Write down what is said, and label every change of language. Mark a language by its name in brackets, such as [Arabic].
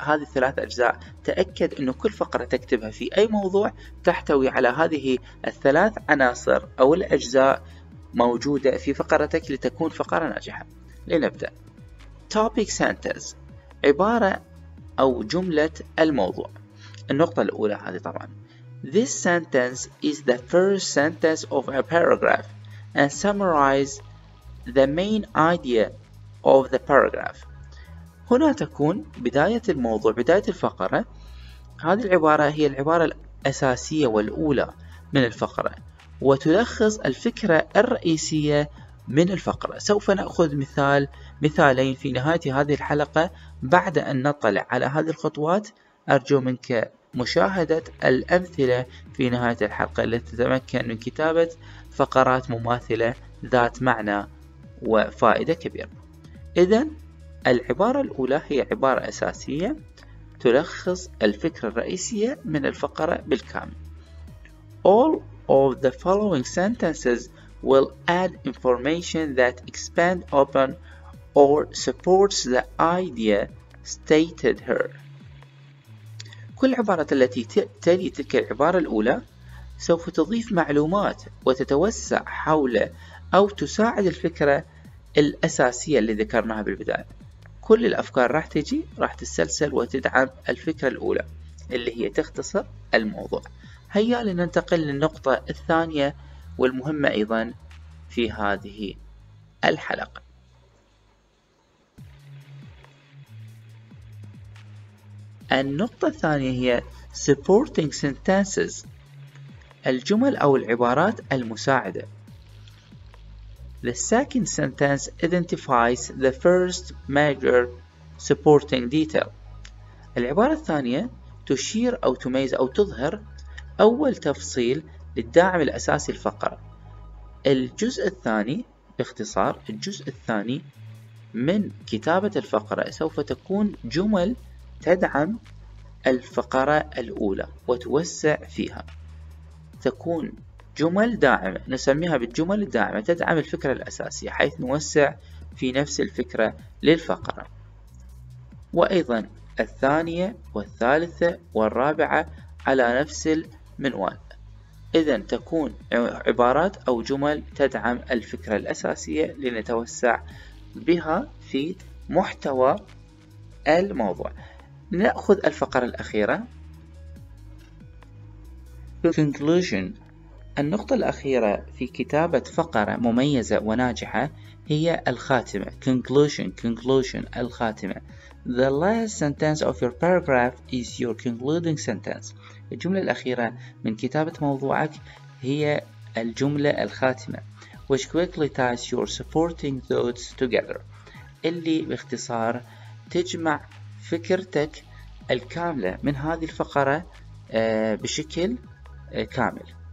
[Arabic] هذه ثلاث أجزاء، تأكد أن كل فقرة تكتبها في أي موضوع تحتوي على هذه الثلاث عناصر أو الأجزاء موجودة في فقرتك لتكون فقرة ناجحة. لنبدأ. Topic sentence، عبارة أو جملة الموضوع، النقطة الأولى هذه طبعا. [English] This sentence is the first sentence of a paragraph and summarize the main idea of the paragraph. [Arabic] هنا تكون بداية الموضوع، بداية الفقرة. هذه العبارة هي العبارة الأساسية والأولى من الفقرة وتلخص الفكرة الرئيسية من الفقرة. سوف نأخذ مثالين في نهاية هذه الحلقة بعد أن نطلع على هذه الخطوات. أرجو منك مشاهدة الأمثلة في نهاية الحلقة لتتمكن من كتابة فقرات مماثلة ذات معنى وفائدة كبيرة. إذن العبارة الأولى هي عبارة أساسية تلخص الفكرة الرئيسية من الفقرة بالكامل. [English] All of the following sentences will add information that expand upon or supports the idea stated here. [Arabic] كل عبارة التي تلي تلك العبارة الأولى سوف تضيف معلومات وتتوسع حول أو تساعد الفكرة الأساسية اللي ذكرناها بالبداية. كل الأفكار راح تجي، راح تتسلسل وتدعم الفكرة الأولى اللي هي تختصر الموضوع. هيا لننتقل للنقطة الثانية والمهمة أيضا في هذه الحلقة. النقطة الثانية هي supporting sentences، الجمل أو العبارات المساعدة. [English] The second sentence identifies the first major supporting detail. [Arabic] العبارة الثانية تشير أو تميز أو تظهر أول تفصيل للداعم الأساسي الفقرة. الجزء الثاني باختصار، الجزء الثاني من كتابة الفقرة سوف تكون جمل تدعم الفقرة الأولى وتوسع فيها. تكون جمل داعمة، نسميها بالجمل الداعمة، تدعم الفكرة الأساسية حيث نوسع في نفس الفكرة للفقرة. وأيضا الثانية والثالثة والرابعة على نفس المنوال. إذن تكون عبارات أو جمل تدعم الفكرة الأساسية لنتوسع بها في محتوى الموضوع. نأخذ الفقرة الأخيرة. Conclusion، النقطة الأخيرة في كتابة فقرة مميزة وناجحة هي الخاتمة. Conclusion، الخاتمة. [English] The last sentence of your paragraph is your concluding sentence. [Arabic] الجملة الأخيرة من كتابة موضوعك هي الجملة الخاتمة. [English] Which quickly ties your supporting thoughts together. [Arabic] اللي باختصار تجمع فكرتك الكاملة من هذه الفقرة بشكل كامل.